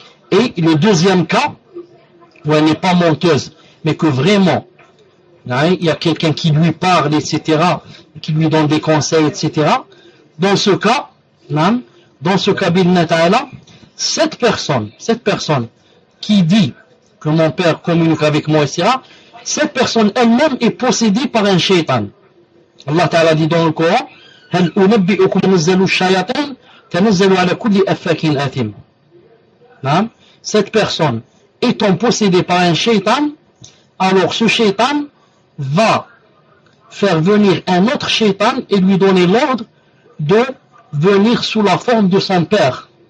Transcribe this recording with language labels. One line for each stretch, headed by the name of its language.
French: Et le deuxième cas, où elle n'est pas menteuse, mais que vraiment, hein, il y a quelqu'un qui lui parle, etc., qui lui donne des conseils, etc. Dans ce cas, hein, dans ce cas, Bidna Ta'ala, cette personne qui dit que mon père communique avec moi, etc., cette personne elle-même est possédée par un shaitan.
Arabic: Allah Ta'ala dit dans le Coran, هل أنبئكم تنزل الشياطين تنزل على كل أفاك أثيم. نعم.
French: Cette personne étant possédée par un shaitan, alors ce shaitan va faire venir un autre shaitan et lui donner l'ordre de venir sous la forme de son père.